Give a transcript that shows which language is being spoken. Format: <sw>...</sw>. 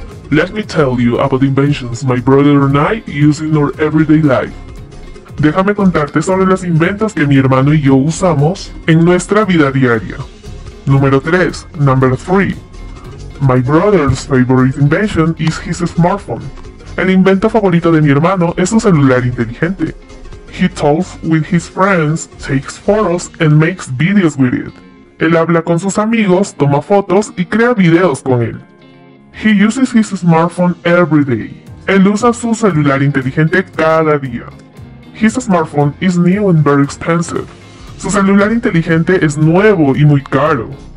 <en>Let me tell you about inventions my brother and I use in our everyday life.</en> <es>Déjame contarte sobre las inventos que mi hermano y yo usamos en nuestra vida diaria. Número 3.</es> <en>Number 3. My brother's favorite invention is his smartphone.</en> <es>El invento favorito de mi hermano es su celular inteligente.</es> <en>He talks with his friends, takes photos, and makes videos with it.</en> <es>Él habla con sus amigos, toma fotos y crea videos con él.</es> <en>He uses his smartphone every day.</en> <es>Él usa su celular inteligente cada día.</es> <en>His smartphone is new and very expensive.</en> <es>Su celular inteligente es nuevo y muy caro.</es>